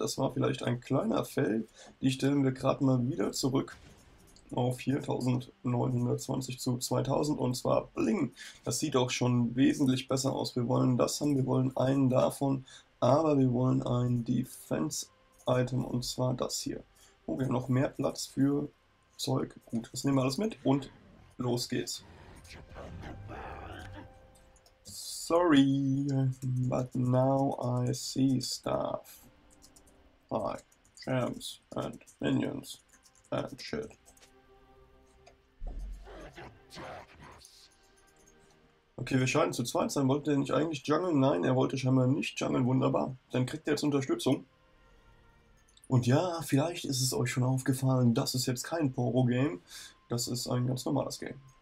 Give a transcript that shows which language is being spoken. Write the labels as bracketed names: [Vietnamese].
[German] Das war vielleicht ein kleiner Fail. Die stellen wir gerade mal wieder zurück auf 4920 zu 2000. Und zwar bling. Das sieht auch schon wesentlich besser aus. Wir wollen das haben. Wir wollen einen davon. Aber wir wollen ein Defense-Item. Und zwar das hier. Oh, wir haben noch mehr Platz für Zeug. Gut, das nehmen wir alles mit. Und los geht's. [English] Sorry, but now I see stuff. Like gems and minions and shit. [German] Okay, wir scheinen zu zweit sein. Wollte er nicht eigentlich jungeln? Nein, er wollte scheinbar nicht jungeln. Wunderbar. Dann kriegt er jetzt Unterstützung. Und ja, vielleicht ist es euch schon aufgefallen, das ist jetzt kein Poro-Game. Das ist ein ganz normales Game.